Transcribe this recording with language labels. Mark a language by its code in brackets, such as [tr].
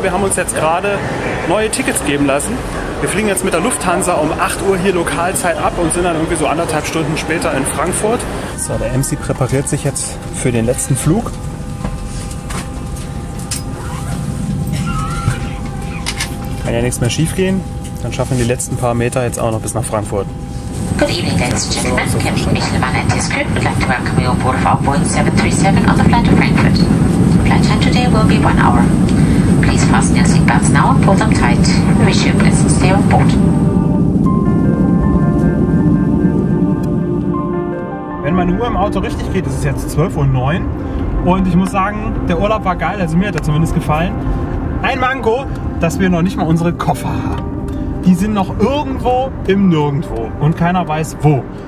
[de] Wir haben uns jetzt gerade neue Tickets geben lassen. Wir fliegen jetzt mit der Lufthansa um 8 Uhr hier Lokalzeit ab und sind dann irgendwie so anderthalb Stunden später in Frankfurt. So, der MC präpariert sich jetzt für den letzten Flug. Kann ja nichts mehr schief gehen. Dann schaffen wir die letzten paar Meter jetzt auch noch bis nach Frankfurt. [en] Good evening, ladies and gentlemen. Captain Michael Van Antis crew would like to welcome you on board of our Boeing 737 on the flight to Frankfurt. Flight time today will be 1 hour. Please fasten your seatbelts now and pull them tight. We wish you a pleasant stay on board. [de] Wenn meine Uhr im Auto richtig geht, ist es jetzt 12.09 Uhr. Und ich muss sagen, der Urlaub war geil. Also mir hat er zumindest gefallen. Ein Manko, dass wir noch nicht mal unsere Koffer haben. Die sind noch irgendwo im Nirgendwo und keiner weiß wo.